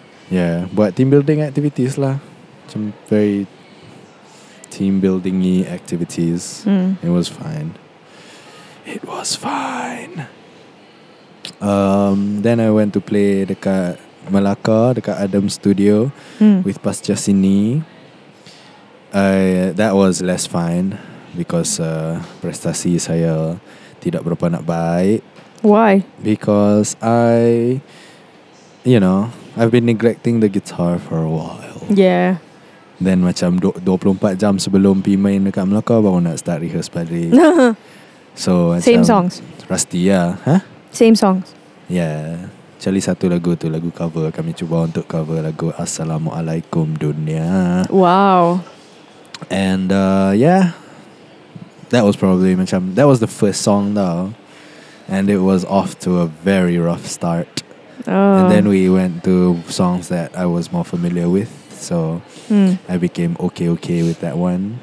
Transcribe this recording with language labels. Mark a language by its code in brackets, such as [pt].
[en] Yeah, but team building activities lah. Some very team building-y activities. Mm. It was fine. It was fine. Then I went to play [ms] dekat [en] Malacca, dekat Adam Studio with Pas Jasini. That was less fine. [ms] Because prestasi saya tidak berapa nak baik. [en] Why? Because I, you know, I've been neglecting the guitar for a while. Yeah. [ms] Then macam 24 jam sebelum pi main dekat Melaka baru nak [en] start rehearse [ms] balik. [en] So same songs. Rusty, yeah. Huh? Same songs. Yeah. [ms] Cari satu lagu tu, lagu cover. Kami cuba untuk cover lagu Assalamualaikum Dunia. [en] Wow. And yeah. That was probably [ms] macam, [en] that was the first song though, and it was off to a very rough start. Oh. And then we went to songs that I was more familiar with, so I became okay with that one.